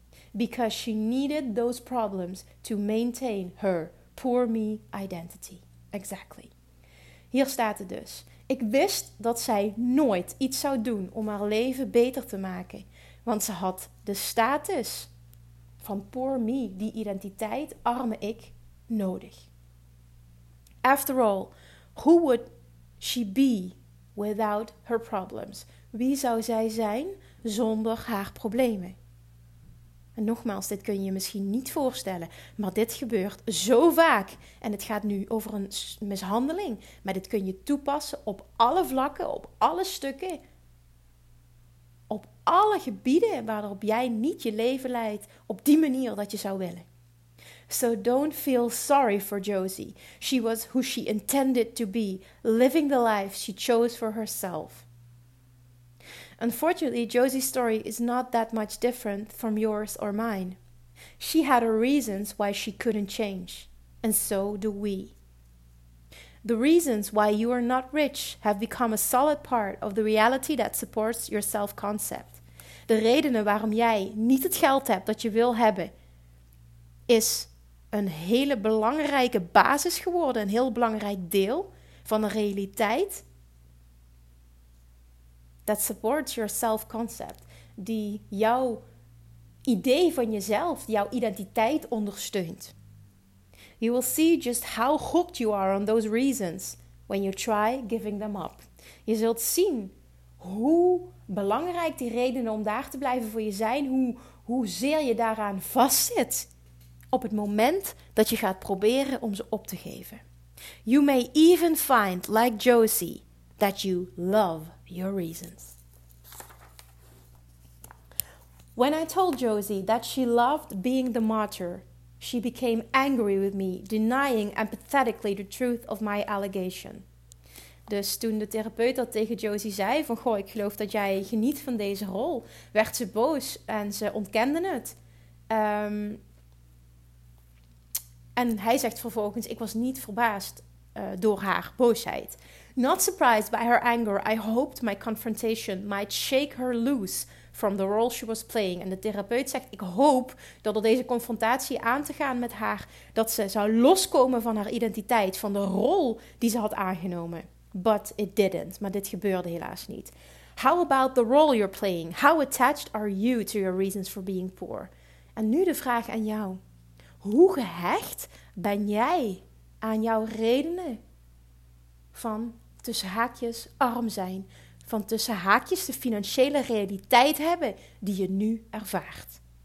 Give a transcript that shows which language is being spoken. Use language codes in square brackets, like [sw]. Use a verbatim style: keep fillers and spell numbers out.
[en] Because she needed those problems to maintain her poor me identity. Exactly. [nl] Hier staat het dus. Ik wist dat zij nooit iets zou doen om haar leven beter te maken. Want ze had de status van [en] poor me, [nl] die identiteit, arme ik, nodig. After all, who would she be without her problems? Wie zou zij zijn zonder haar problemen? En nogmaals, dit kun je je misschien niet voorstellen, maar dit gebeurt zo vaak. En het gaat nu over een mishandeling, maar dit kun je toepassen op alle vlakken, op alle stukken. Op alle gebieden waarop jij niet je leven leidt op die manier dat je zou willen. [en] So don't feel sorry for Josie. She was who she intended to be, living the life she chose for herself. Unfortunately, Josie's story is not that much different from yours or mine. She had her reasons why she couldn't change, and so do we. The reasons why you are not rich have become a solid part of the reality that supports your self-concept. [nl] De redenen waarom jij niet het geld hebt dat je wil hebben, is een hele belangrijke basis geworden, een heel belangrijk deel van de realiteit. [en] That supports your self-concept. [nl] Die jouw idee van jezelf, jouw identiteit ondersteunt. [en] You will see just how hooked you are on those reasons when you try giving them up. [nl] Je zult zien hoe belangrijk die redenen om daar te blijven voor je zijn, hoe, hoezeer je daaraan vastzit op het moment dat je gaat proberen om ze op te geven. [en] You may even find, like Josie, that you love your reasons. When I told Josie that she loved being the martyr, she became angry with me, denying empathetically the truth of my allegation. [nl] Dus toen de therapeut dat tegen Josie zei van, goh, ik geloof dat jij geniet van deze rol, werd ze boos en ze ontkende het. Um, en hij zegt vervolgens, ik was niet verbaasd uh, door haar boosheid. [en] Not surprised by her anger, I hoped my confrontation might shake her loose from the role she was playing. [nl] En de therapeut zegt, ik hoop dat door deze confrontatie aan te gaan met haar, dat ze zou loskomen van haar identiteit, van de rol die ze had aangenomen. [en] But it didn't. [nl] Maar dit gebeurde helaas niet. [en] How about the role you're playing? How attached are you to your reasons for being poor? [nl] En nu de vraag aan jou. Hoe gehecht ben jij aan jouw redenen van tussen haakjes arm zijn? Van tussen haakjes de financiële realiteit hebben die je nu ervaart.